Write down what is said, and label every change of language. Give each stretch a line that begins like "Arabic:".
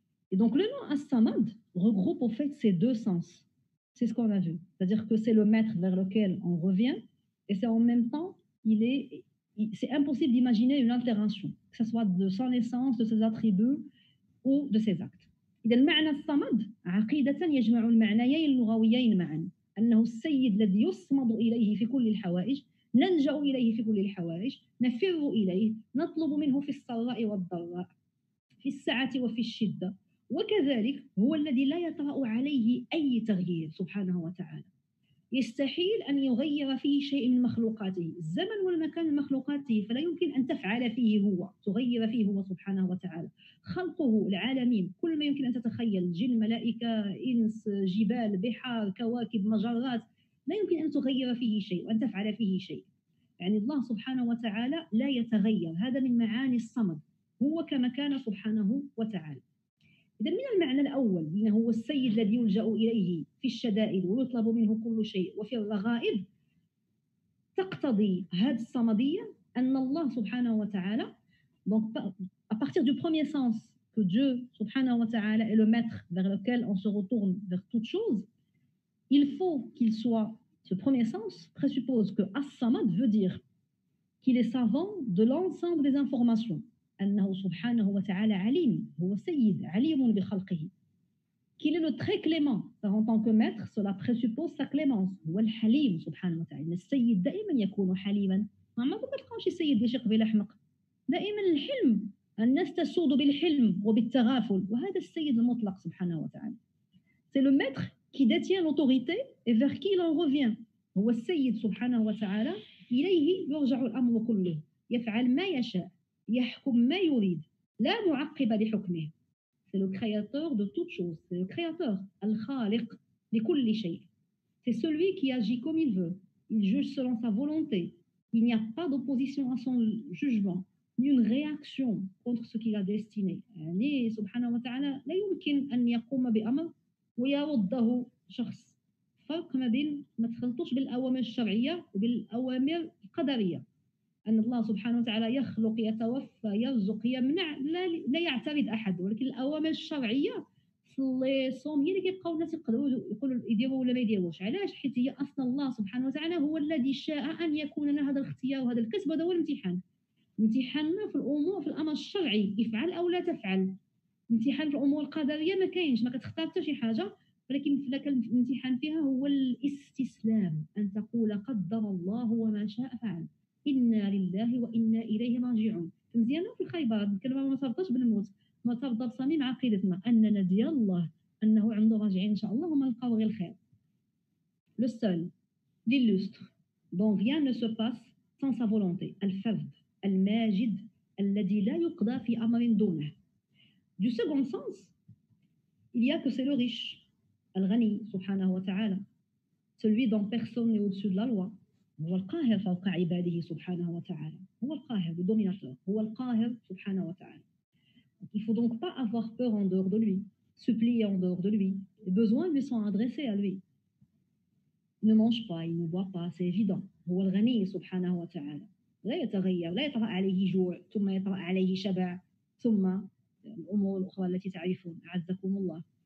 French: Et donc le nom As-Samad regroupe au fait ces deux sens. C'est ce qu'on a vu. C'est-à-dire que c'est le maître vers lequel on revient et c'est en même temps, c'est impossible d'imaginer une altération, que ce soit de son essence, de ses attributs ou de ses actes.
Arabic: Et le معنى As-Samad, عقيدةً يجمع المعنيين اللغويين معاً. أنه السيد الذي يصمد إليه في كل الحوائج، نلجأ إليه في كل الحوائج، نفر إليه، نطلب منه في السراء والضراء، في السعة وفي الشدة، وكذلك هو الذي لا يطرأ عليه أي تغيير سبحانه وتعالى. يستحيل أن يغير فيه شيء من مخلوقاته. الزمن والمكان مخلوقاته فلا يمكن أن تفعل فيه هو، تغير فيه هو سبحانه وتعالى. خلقه العالمين كل ما يمكن أن تتخيل، جن، ملائكة، إنس، جبال، بحار، كواكب، مجرات، لا يمكن أن تغير فيه شيء وأن تفعل فيه شيء. يعني الله سبحانه وتعالى لا يتغير، هذا من معاني الصمد، هو كما كان سبحانه وتعالى. إذن من المعنى الأول إنه هو السيد الذي يلجأ إليه في الشدائد ويطلب منه كل شيء وفي الرغائب، تقتضي هذه الصمدية أن الله سبحانه وتعالى
French: donc à partir du premier sens que Dieu سبحانه وتعالى est le maître vers lequel on se retourne vers toute chose, il faut qu'il soit, ce premier sens présuppose que as-samad veut dire qu'il est savant de l'ensemble des informations.
Arabic: أنه سبحانه وتعالى عليم، هو سيد عليم بخلقه.
French: qu'il est le très clément. car en tant que maître, cela présuppose sa clémence.
Arabic: هو الحليم سبحانه وتعالى. السيد دائما يكون حليما. ما تلقاش السيد يشق بالأحمق. دائما الحلم. الناس تسود بالحلم وبالتغافل. وهذا السيد المطلق سبحانه وتعالى.
French: c'est le maître qui détient l'autorité et vers qui l'on revient.
Arabic: هو السيد سبحانه وتعالى. إليه يرجع الأمر كله. يفعل ما يشاء. يحكم ما يريد لا معقب لحكمه.
French: c'est le créateur de toute chose. c'est le créateur
Arabic: الخالق لكل شيء.
French: c'est celui qui agit comme il veut. il juge selon sa volonté. il n'y a pas d'opposition à son jugement ni une réaction contre ce qu'il a destiné.
Arabic: يعني سبحانه وتعالى لا يمكن أن يقوم بأمر ويرده شخص. فرق ما بين ما تخلطوش بالأوامر الشرعية وبالأوامر القدرية. أن الله سبحانه وتعالى يخلق، يتوفى، يرزق، يمنع، لا يعترض أحد. ولكن الأوامر الشرعية في الصوم هي اللي يبقوا الناس يقولوا يديروا ولا ما يديروش. علاش؟ حيث هي أصلا الله سبحانه وتعالى هو الذي شاء أن يكون لنا هذا الاختيار وهذا الكسب. هذا هو الامتحان. امتحاننا في الأمور، في الأمر الشرعي افعل أو لا تفعل. امتحان في الأمور القدرية ما كاينش، ما كتختار حتى شي حاجة. ولكن لك الامتحان فيها هو الاستسلام، أن تقول قدر الله وما شاء فعل. إنا لله وإنا إليه راجعون. مزيانة في الخيبات كلمة ما صرتش بالموت، ما صرت بصميم عقيدتنا أننا ديال الله، أنه عنده راجعين إن شاء الله وما لقاو غير الخير.
French: le seul l'illustre dont rien ne se passe sans sa volonté.
Arabic: الفرد الماجد الذي لا يقضى في أمر دونه.
French: du second sens il y a que c'est le riche
Arabic: الغني سبحانه وتعالى.
French: celui dont personne n'est au-dessus de la loi.
Arabic: هو القاهر فوق عباده سبحانه وتعالى. هو القاهر dominateur. هو القاهر سبحانه وتعالى.
French: il faut donc pas avoir peur en dehors de lui, supplier en dehors de lui. les besoins lui sont adressés à lui. il ne mange pas, il ne boit pas, c'est évident.
Arabic: هو الغني سبحانه وتعالى. لا يتغير، لا يطرأ عليه جوع، ثم يطرأ عليه شبع، ثم الأمور الأخرى التي تعرفون أعزكم الله.